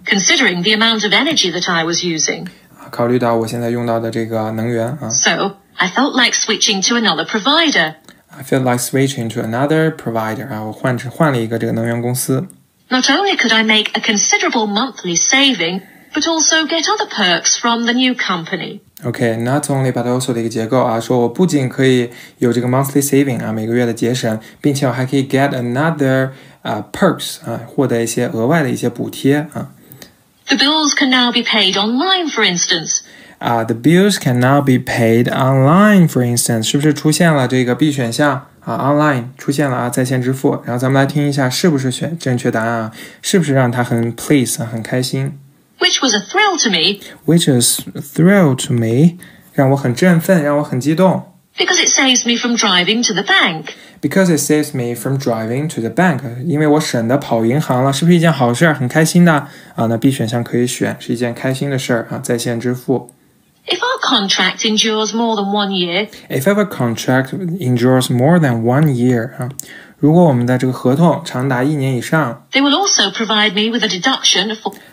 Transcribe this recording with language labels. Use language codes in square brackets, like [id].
[en] Considering the amount of energy that I was using， [zh] 考虑到我现在用到的这个能源啊 [en] ，So I felt like switching to another provider。 I feel like switching to another provider. [zh] 啊，我换了一个这个能源公司。 [en] Not only could I make a considerable monthly saving, but also get other perks from the new company. [zh] Okay, not only but also 的一个结构啊，说我不仅可以有这个 monthly saving 啊，每个月的节省，并且我还可以 [en] get another perks [zh] 啊，获得一些额外的一些补贴啊。 [en] The bills can now be paid online, for instance. The bills can now be paid online, for instance. [zh] 是不是出现了这个 B 选项啊 ？Online 出现了啊，在线支付。然后咱们来听一下，是不是选正确答案啊？是不是让他很 pleased 啊，很开心 [en] ？Which was a thrill to me. Which is thrill to me. [zh] 让我很振奋，让我很激动。 [en] Because it saves me from driving to the bank. Because it saves me from driving to the bank. [zh] 因为我省得跑银行了，是不是一件好事？很开心的啊。那 B 选项可以选，是一件开心的事儿啊，在线支付。 [en] If our contract endures more than 1 year. If our contract endures more than 1 year. [zh] 如果我们的这个合同长达一年以上。 [en] They will also provide me with a deduction for.